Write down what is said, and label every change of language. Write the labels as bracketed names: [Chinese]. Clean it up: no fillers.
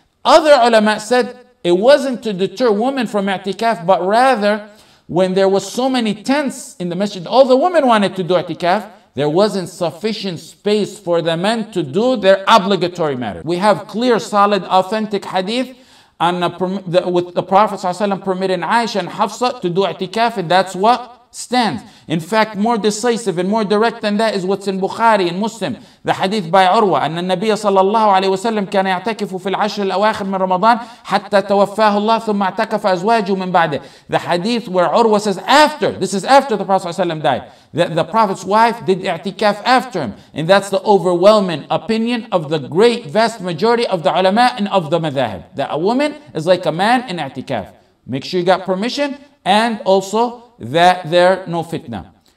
[English] Other ulama said it wasn't to deter women from i'tikaf, but rather when there was so many tents in the masjid, all the women wanted to do i'tikaf, there wasn't sufficient space for the men to do their obligatory matter. We have clear, solid, authentic hadith on with the Prophet ﷺ permitting Aisha and Hafsa to do i'tikaf, and that's what stands. In fact, more decisive and more direct than that is what's in Bukhari and Muslim. The hadith by Urwa, [Arabic] أن النبي صلى الله عليه وسلم كان يعتكف في العشر الأواخر من رمضان حتى توفاه الله ثم اعتكف أزواجه من بعده. [English] The hadith where Urwa says after, this is after the Prophet ﷺ died, that the Prophet's wife did i'tikaf after him. And that's the overwhelming opinion of the great vast majority of the ulama and of the madhahib, that a woman is like a man in i'tikaf. Make sure you got permission and also that there no fitna.